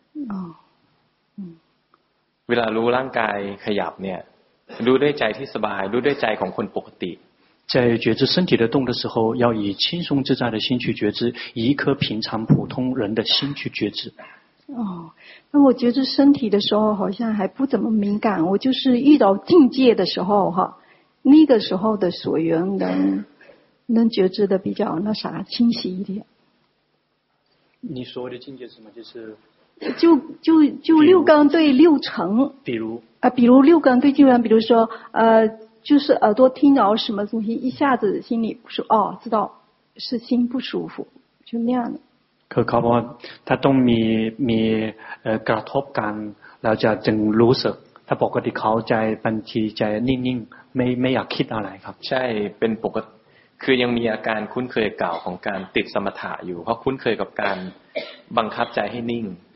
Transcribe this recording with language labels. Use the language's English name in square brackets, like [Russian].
[Thai] 哦 เวลารู้ร่างกายขยับเนี่ย 如对在体สบาย如对在ของคนปกติ [Chinese] 在觉知身体的动的时候要以轻松自在的心去觉知以一颗平常普通人的心去觉知哦，那我觉知身体的时候好像还不怎么敏感我就是遇到境界的时候哈，那个时候的所缘能觉知的比较那啥清晰一点你所谓的境界是什么就是就六根对六尘比如啊，比如六根对六尘比如说就是耳朵听到什么东西一下子心里不舒服哦，知道是心不舒服就那样的 [Thai] คือเขาบอกถ้าต้องมีกระทบกันเราจะจึงรู้สึกถ้าปกติเขาใจบันทีใจนิ่งๆไม่อยากคิดอะไรครับ ใช่เป็นปกติคือยังมีอาการคุ้นเคยเก่าของการติดสมถะอยู่เพราะคุ้นเคยกับการบังคับใจให้นิ่ง